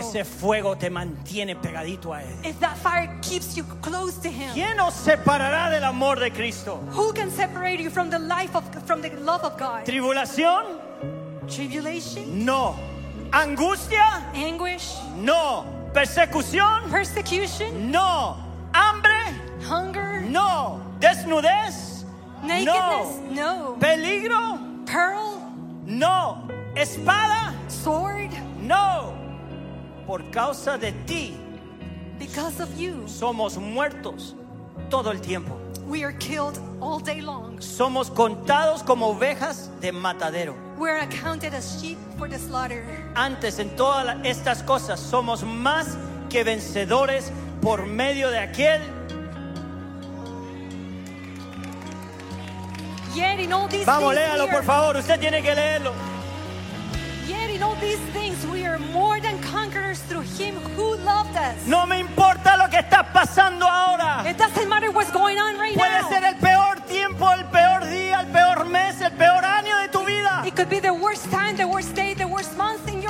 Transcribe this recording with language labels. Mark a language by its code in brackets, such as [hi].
[es] Si ese fuego te mantiene pegadito a él. [en] If that fire keeps you close to him. [es] ¿Quién nos separará del amor de Cristo? [en] Who can separate you from the life of from the love of God? [es] ¿Tribulación? [en] Tribulation? [es] No. ¿Angustia? [en] Anguish? [es] No. ¿Persecución? [en] Persecution? [es] No. ¿Hambre? [en] Hunger? [es] No. ¿Desnudez? [en] Nakedness? No. No. [es] ¿Peligro? [en] Peril? [es] No. ¿Espada? [en] Sword? [es] No. Por causa de ti. [en] Because of you. [es] Somos muertos todo el tiempo. [en] We are killed all day long. [es] Somos contados como ovejas de matadero. [en] We are accounted as sheep for the slaughter. [es] Antes en todas estas cosas somos más que vencedores por medio de aquel. [en] Yet in all these [es] vamos, [en] things [es] léalo, [en] are, [es] por favor. Usted tiene que leerlo. [en] Yet in all these things we are more than conquerors through him who loved us. [es] No me importa lo que está pasando ahora. [en] It doesn't matter what's going on right [es] puede [en] now. [es] Puede ser el peor tiempo, el peor día, el peor mes, el peor año de tu vida. [en] It could be the worst time, the worst day, the worst month in your